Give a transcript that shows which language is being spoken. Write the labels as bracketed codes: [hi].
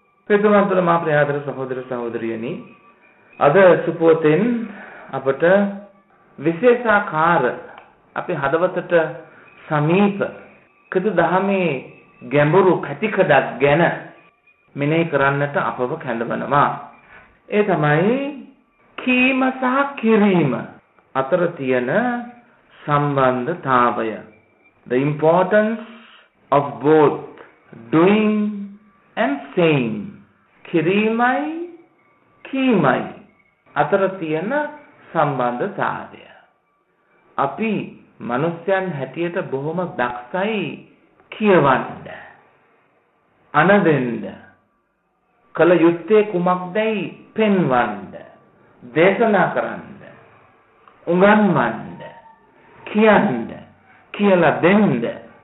[si] පෙදුමන්තර මා ප්‍රියාදර සහෝදර සහෝදරියනි, අද සුපුවතෙන් අපට විශේෂාකාර අපේ හදවතට සමීප කිතු දහමේ ගැඹුරු කැටිකඩක් ගැන මෙනෙහි කරන්නට අපව කැඳවනවා. ඒ තමයි කීම සහ කිරීම අතර තියෙන සම්බන්ධතාවය. [en] The importance of both doing and saying. [si] කිරීමයි කීමයි අතර තියෙන සම්බන්ධතාවය. අපි මිනිස්යන් හැටියට බොහොම දක්ෂයි කියවන්න, අනදෙන්න, කල යුත්තේ කුමක්දයි පෙන්වන්න, දේශනා කරන්න, උගන්වන්න, කියන්න, කියලා දෙන්න.